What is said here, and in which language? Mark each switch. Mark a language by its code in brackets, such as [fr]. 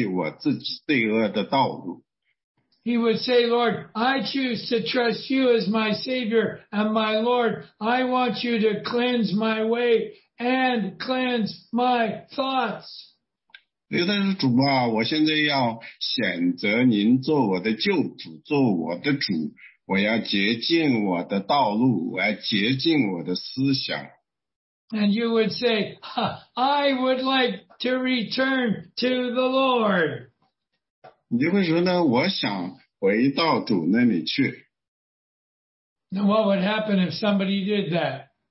[zh] 这个人他说，主啊，我就是个罪人，但是呢，我不再想做一个罪人了，所以我要离弃我自己罪恶的道路。 [en] He would say, Lord, I choose to trust you as my Savior and my Lord. I want you to cleanse my way and cleanse my thoughts. [zh] 但是主啊，我现在要选择您做我的救主，做我的主，我要洁净我的道路，我要洁净我的思想。 [en] And you would say, I would like to return to the Lord. [zh] 你就会说呢，我想回到主那里去。 [en] Now what would happen if somebody did that?